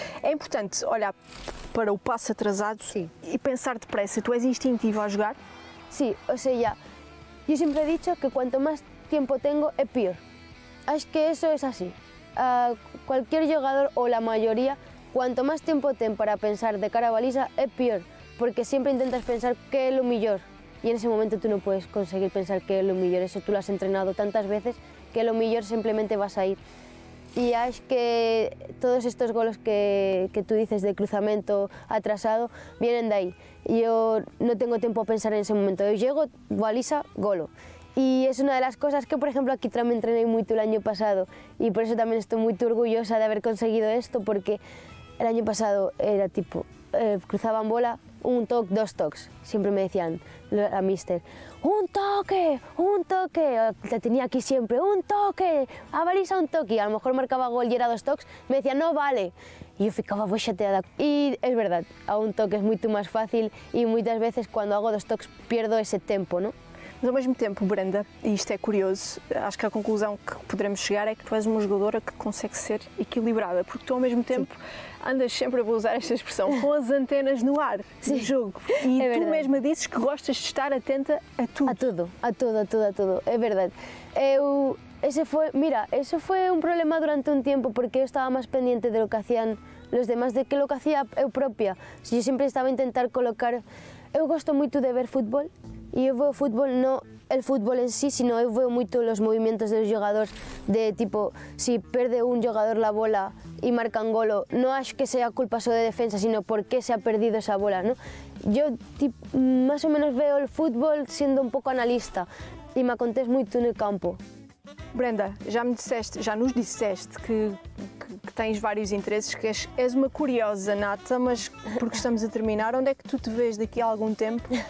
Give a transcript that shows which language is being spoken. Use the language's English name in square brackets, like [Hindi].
[Portuguese] É importante olhar para o passo atrasado e pensar depressa, tu és instintivo a jogar? Sim, ou seja, eu sempre digo que quanto mais tempo tenho, é pior. Acho que isso é assim. Qualquer jogador, ou a maioria, quanto mais tempo tem para pensar de cara a baliza, é pior. [Spanish] Porque siempre intentas pensar qué es lo mejor y en ese momento tú no puedes conseguir pensar qué es lo mejor, eso tú lo has entrenado tantas veces que lo mejor simplemente vas a ir. Y es que todos estos goles que tú dices de cruzamiento atrasado vienen de ahí. Yo no tengo tiempo a pensar en ese momento, yo llego, baliza, golo. Y es una de las cosas que, por ejemplo, aquí también entrené mucho el año pasado y por eso también estoy muy orgullosa de haber conseguido esto, porque el año pasado era tipo, cruzaban bola, un toque, dos toques, siempre me decían la mister, un toque, la tenía aquí siempre, un toque, a baliza un toque, y a lo mejor marcaba gol y era dos toques, me decían no vale, y yo ficaba muy chateada, y es verdad, a un toque es mucho más fácil, y muchas veces cuando hago dos toques pierdo ese tempo, ¿no? [Portuguese] Mas ao mesmo tempo, Brenda, e isto é curioso, acho que a conclusão que poderemos chegar é que tu és uma jogadora que consegue ser equilibrada, porque tu ao mesmo tempo andas sempre, vou usar esta expressão, com as antenas no ar no jogo. E é tu verdade. Mesma dizes que gostas de estar atenta a tudo. A tudo, a tudo, a tudo, a tudo. É verdade. Esse foi um problema durante um tempo, porque eu estava mais pendente do que faziam os demais, do que o que fazia eu própria. Eu sempre estava a tentar colocar... Eu gosto muito de ver futebol, e eu vejo o futebol não [Spanish] el fútbol en sí, sino yo veo mucho los movimientos de los jugadores, de tipo, si pierde un jugador la bola y marca un golo, no es que sea culpa solo de defensa, sino por qué se ha perdido esa bola, ¿no? Yo tipo, más o menos veo el fútbol siendo un poco analista y me acontece mucho en el campo. [Portuguese] Brenda, ya nos disseste que tens vários interesses, que és uma curiosa nata, mas porque estamos a terminar, onde é que tu te vês daqui a algum tempo?